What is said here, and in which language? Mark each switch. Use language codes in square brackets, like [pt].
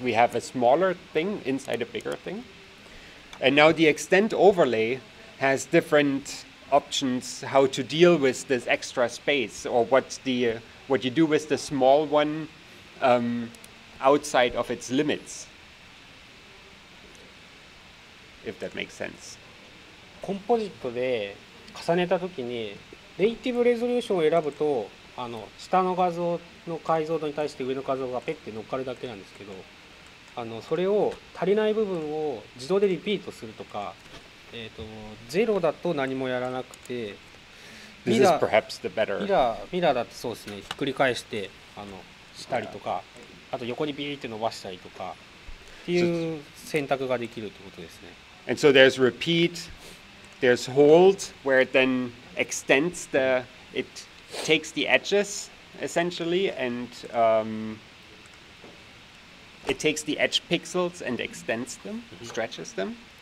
[en] We have a smaller thing inside a bigger thing. And now the extent overlay has different options how to deal with this extra space, or what you do with the small one outside of its limits. If that makes sense. [ja] Composite で重ねた時に native resolution を選ぶと下の画像の解像度に対して上の画像がペッて乗っかるだけなんですけど、それを足りない部分を自動でリピートするとか、ゼロだと何もやらなくて、ミラーだとそうですね、ひっくり返してしたりとか、あと横にビーって伸ばしたりとかっていう選択ができるということですね。 [en] And so there's repeat, there's hold, where it then extends the it takes the edges. Essentially, and it takes the edge pixels and extends them, stretches them.